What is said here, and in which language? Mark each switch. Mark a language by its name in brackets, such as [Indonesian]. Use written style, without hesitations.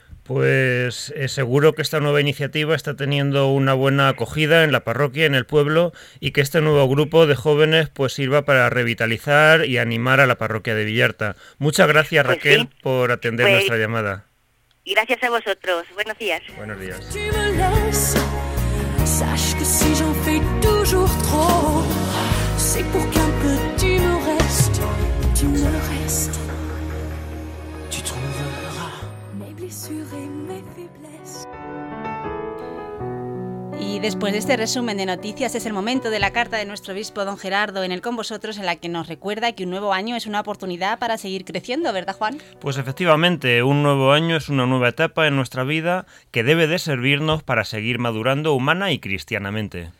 [Spanish] Pues seguro que esta nueva iniciativa está teniendo una buena acogida en la parroquia, en el pueblo, y que este nuevo grupo de jóvenes pues sirva para revitalizar y animar a la parroquia de Villarta. Muchas gracias, Raquel, pues sí, por atender pues nuestra llamada. Gracias a vosotros. Buenos días. Buenos días. [French] Si me laisse, sache que si j'en fais toujours trop, c'est pour qu'un petit me reste, tu me restes, tu trouveras mes blessures et mes faiblesses. [Spanish] Y después de este resumen de noticias es el momento de la carta de nuestro obispo don Gerardo en el Con Vosotros, en la que nos recuerda que un nuevo año es una oportunidad para seguir creciendo, ¿verdad, Juan? Pues efectivamente, un nuevo año es una nueva etapa en nuestra vida que debe de servirnos para seguir madurando humana y cristianamente.